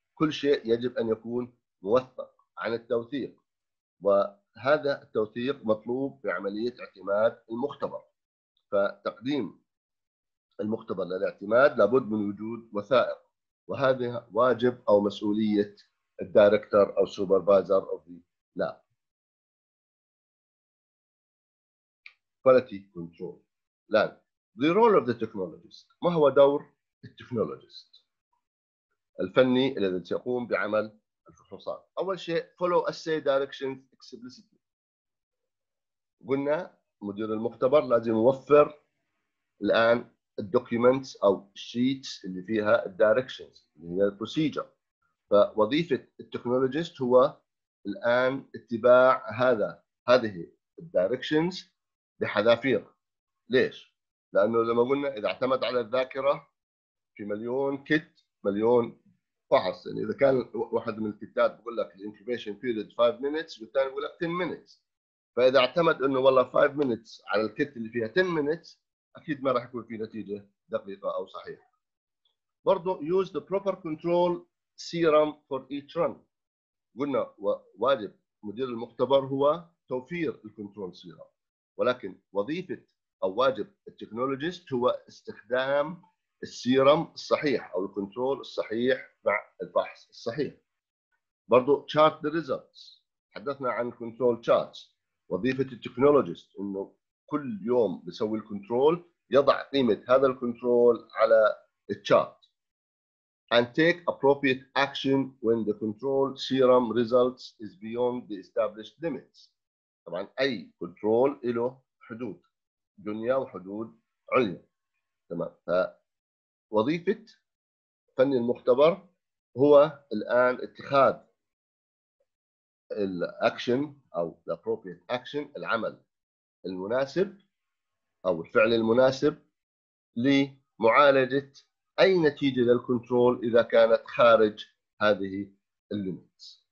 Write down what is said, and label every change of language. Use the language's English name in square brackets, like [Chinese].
[Arabic] كل شيء يجب أن يكون موثق عن التوثيق، وهذا التوثيق مطلوب في عملية اعتماد المختبر. فتقديم المختبر للاعتماد لابد من وجود وثائق، وهذا واجب أو مسؤولية الدايركتور أو سوبرفايزر أو في لا. [English] quality control. [Arabic] لان [English] the role of the technologist. [Arabic] ما هو دور التكنولوجيست الفني الذي سيقوم بعمل الفحوصات؟ أول شيء [English] follow assay directions explicitly. [Arabic] قلنا مدير المختبر لازم يوفر الآن الدوكيومنتس أو الشيتس اللي فيها الدايركشنز اللي هي البروسيجر. فوظيفة التكنولوجيست هو الآن اتباع هذه الدايركشنز بحذافير. ليش؟ لأنه زي ما قلنا إذا اعتمد على الذاكرة في مليون كت مليون فحص، يعني إذا كان واحد من الكتات بقول لك الانكيبيشن بيريد 5 مينتس والثاني بقول لك 10 مينتس، فإذا اعتمد أنه والله 5 مينتس على الكت اللي فيها 10 مينتس أكيد ما راح يكون في نتيجة دقيقة أو صحيحة. برضو [English] use the proper control serum for each run. [Arabic] قلنا واجب مدير المختبر هو توفير الكنترول سيرم، ولكن وظيفة أو واجب التكنولوجيست هو استخدام السيرم الصحيح أو الكنترول الصحيح مع الفحص الصحيح. برضو [English] chart the results. [Arabic] حدثنا عن control charts. وظيفة التكنولوجيست إنه كل يوم بيسوي الكنترول يضع قيمة هذا الكنترول على الشارت [English] and take appropriate action when the control serum results is beyond the established limits. [Arabic] طبعا أي كنترول له حدود دنيا وحدود عليا. تمام. فوظيفة فني المختبر هو الآن اتخاذ الأكشن أو [English] the appropriate action [Arabic] العمل المناسب أو الفعل المناسب لمعالجة أي نتيجة للكنترول إذا كانت خارج هذه الليميت.